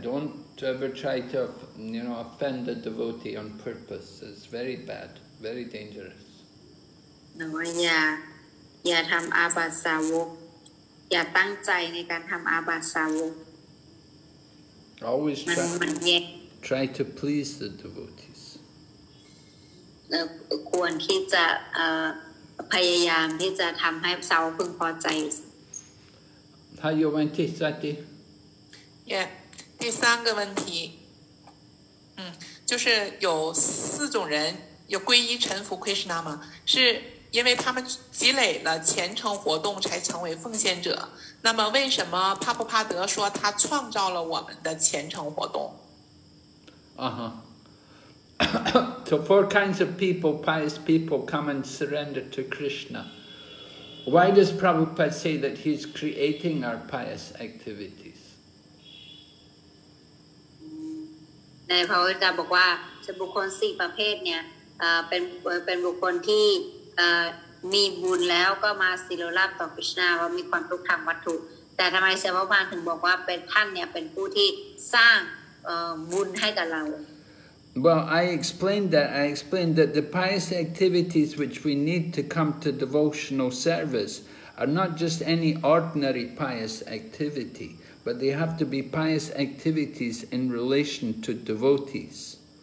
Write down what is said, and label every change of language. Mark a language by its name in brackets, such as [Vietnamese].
[English] Don't ever try to, you know, offend a devotee on purpose. It's very bad, very dangerous. [Thai] No, อย่าทำอาบัติสาวกอย่าตั้งใจในการทำอาบัติสาวก Always try to please the devotees. ควรที่จะพยายามที่จะทำให้สาวกพึงพอใจ [Chinese] 还有问题，三弟。 Yeah， 第三个问题，就是有四种人有皈依臣服 Krishna 吗？是因为他们积累了虔诚活动才成为奉献者。那么为什么帕布帕德说他创造了我们的虔诚活动？ [English] So four kinds of people, pious people, come and surrender to Krishna. Why does Prabhupada say that he's creating our pious activities? [Thai] ในพระวจนะบอกว่าจะบุคคลสี่ประเภทเนี่ยเป็นบุคคลที่มีบุญแล้วก็มาสิโรราบต่อกฤษณาว่ามีความทุกข์ทางวัตถุแต่ทำไมเสวะพานถึงบอกว่าเป็นท่านเนี่ยเป็นผู้ที่สร้างบุญให้กับเรา [English] Well, I explained that the pious activities which we need to come to devotional service are not just any ordinary pious activity, but they have to be pious activities in relation to devotees.